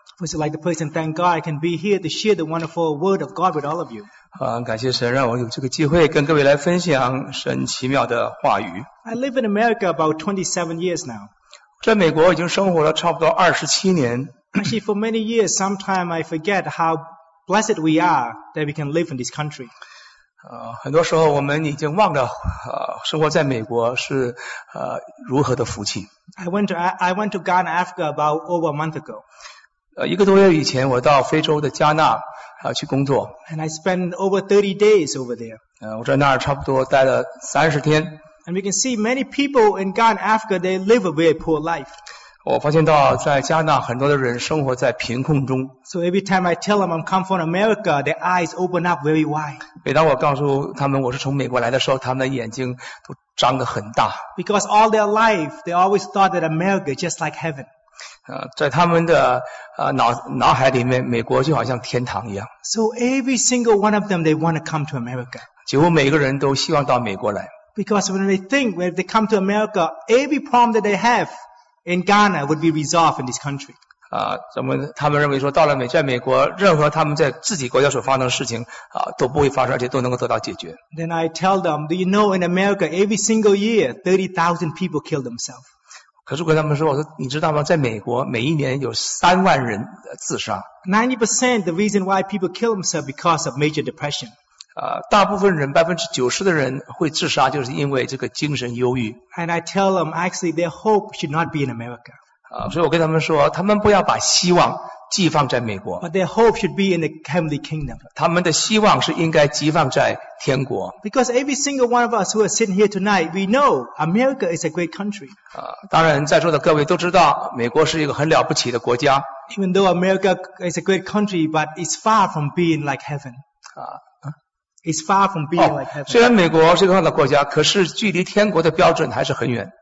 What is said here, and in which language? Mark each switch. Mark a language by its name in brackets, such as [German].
[English] First, I'd like to personally thank God I can be here to share the wonderful word of God with all of you. [Chinese] 感谢神让我有这个机会跟各位来分享神奇妙的话语。 [English] I live in America about 27 years now. [Chinese] 在美国已经生活了差不多27年。 [English] Actually, for many years, sometimes I forget how blessed we are that we can live in this country. [Chinese] 很多时候我们已经忘了生活在美国是如何的福气。 [English] I went to Ghana, Africa about over a month ago. [Chinese] 一个多月以前我到非洲的加纳去工作。 [English] And I spent over 30 days over there. [Chinese] 我在那儿差不多待了30天。 [English] And we can see many people in Ghana, Africa, they live a very poor life. [Chinese] 我发现到在加拿大很多的人生活在贫困中。 [English] So every time I tell them I'm come from America, their eyes open up very wide. [Chinese] 每当我告诉他们我是从美国来的时候，他们的眼睛都张得很大。 [English] Because all their life, they always thought that America is just like heaven. [Chinese] 在他们的脑海里面，美国就好像天堂一样。 [English] So every single one of them, they want to come to America. [Chinese] 几乎每个人都希望到美国来。 [English] Because when they think, when they come to America, every problem that they have,in Ghana would be resolved in this country. [Chinese] 他们认为说到了在美国任何他们在自己国家所发生的事情都不会发生，而且都能够得到解决。 [English] Then I tell them, do you know in America every single year 30,000 people kill themselves? [Chinese] 可是跟他们说，我说你知道吗，在美国每一年有30,000人自杀。 [English] 90% the reason why people kill themselves because of major depression. [Chinese] 大部分人90%的人会自杀，就是因为这个精神忧郁。 [English] And I tell them actually their hope should not be in America. [Chinese] 所以我跟他们说，他们不要把希望寄放在美国。 [English] But their hope should be in the heavenly kingdom. [Chinese] 他们的希望是应该寄放在天国。 [English] Because every single one of us who are sitting here tonight, we know America is a great country. [Chinese] 当然，在座的各位都知道，美国是一个很了不起的国家。 [English] Even though America is a great country, but it's far from being like heaven. It's far from being like heaven. [Chinese] 虽然美国是个很好的国家，可是距离天国的标准还是很远。